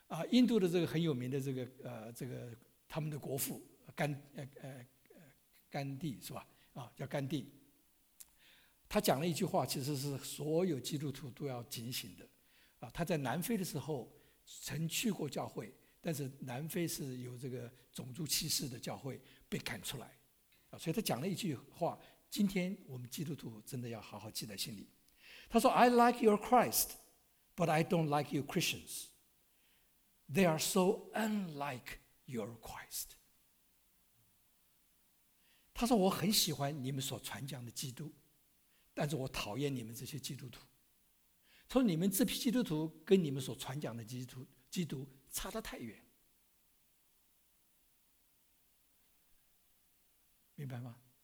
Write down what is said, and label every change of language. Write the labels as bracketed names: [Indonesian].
[Chinese] 印度的这个很有名的这个他们的国父甘地是吧，啊，叫甘地，他讲了一句话，其实是所有基督徒都要警醒的，啊，他在南非的时候曾去过教会，但是南非是有这个种族歧视的教会被赶出来，啊，所以他讲了一句话，今天我们基督徒真的要好好记在心里。 [English] 他说 I like your Christ but I don't like your Christians, they are so unlike your Christ。 [Chinese] 他说我很喜欢你们所传讲的基督，但是我讨厌你们这些基督徒。他说你们这批基督徒跟你们所传讲的基督差得太远，明白吗？